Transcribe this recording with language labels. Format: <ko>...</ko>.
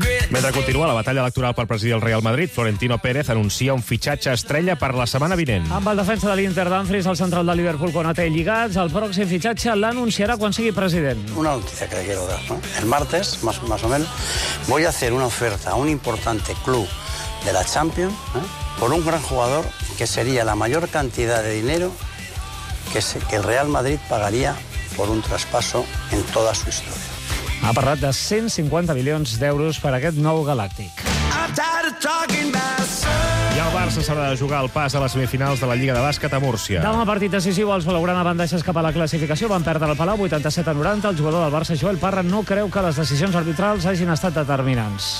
<ca>Mentre continua la batalla electoral per presidir el Real Madrid, Florentino Pérez anuncia un fitxatge estrella per la setmana vinent. Amb el defensa de l'Inter, Dumfries, el central de Liverpool, Konaté i lligats, el pròxim fitxatge l'anunciarà quan sigui president.</ca> <es>Una notícia que quiero dar, ¿no? El martes, más o menos, voy a hacer una oferta a un importante club de la Champions, ¿eh? Por un gran jugador que sería la mayor cantidad de dinero que el Real Madrid pagaría por un traspaso en toda su historia.</es> <ca>Ha parlat de 150 milions d'euros per aquest nou galàctic. I el Barça s'haurà de jugar el pas a les semifinals de la Lliga de Bàsquet a Múrcia. Demà partit decisiu, els blaugranes van deixar escapar la classificació, van perdre el Palau 87-90. El jugador del Barça, Joel Parra, no creu que les decisions arbitrals hagin estat determinants.</ca>